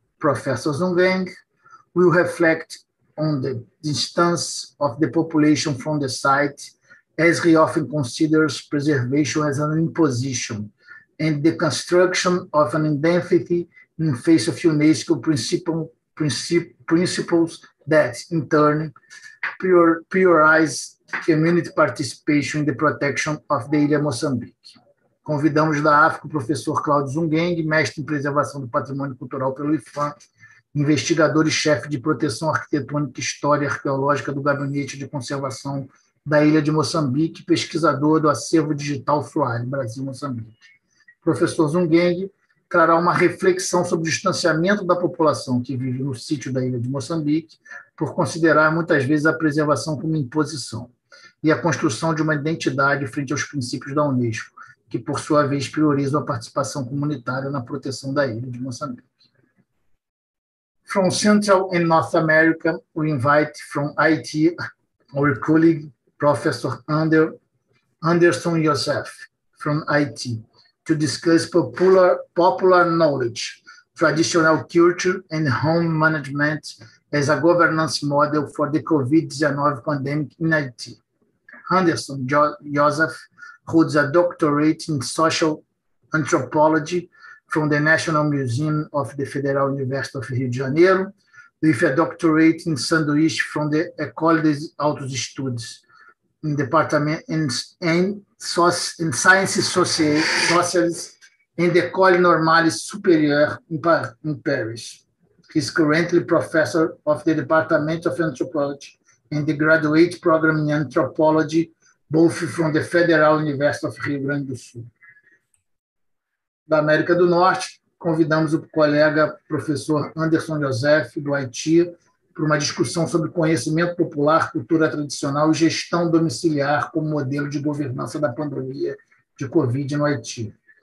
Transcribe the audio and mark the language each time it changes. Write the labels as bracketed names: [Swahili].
[English] Professor Zungeng will reflect on the distance of the population from the site, as he often considers preservation as an imposition and the construction of an identity in face of UNESCO principles that, in turn, priorize community participation in the protection of the Ilha Moçambique. [Portuguese] Convidamos da África o professor Claudio Zungeng, mestre em preservação do patrimônio cultural pelo IFAM, investigador e chefe de proteção arquitetônica, história e arqueológica do Gabinete de Conservação da Ilha de Moçambique, pesquisador do acervo digital Suárez, Brasil, Moçambique. Professor Zungeng trará uma reflexão sobre o distanciamento da população que vive no sítio da Ilha de Moçambique, por considerar muitas vezes a preservação como imposição e a construção de uma identidade frente aos princípios da Unesco, que, por sua vez, priorizam a participação comunitária na proteção da Ilha de Moçambique. [English] From Central and North America, we invite from IT our colleague, Professor Anderson Yosef from IT, to discuss popular knowledge, traditional culture, and home management as a governance model for the COVID-19 pandemic in IT. Anderson Yosef holds a doctorate in social anthropology from the National Museum of the Federal University of Rio de Janeiro, with a doctorate in sanduíche from the Ecole des Hautes Études, in Department in Sciences Sociales in the Ecole Normale Supérieure in Paris. He's currently professor of the Department of Anthropology in the graduate program in anthropology, both from the Federal University of Rio Grande do Sul. [Portuguese] Da América do Norte, convidamos o colega professor Anderson Yosef, do Haiti, para uma discussão sobre conhecimento popular, cultura tradicional e gestão domiciliar como modelo de governança da pandemia de Covid no Haiti.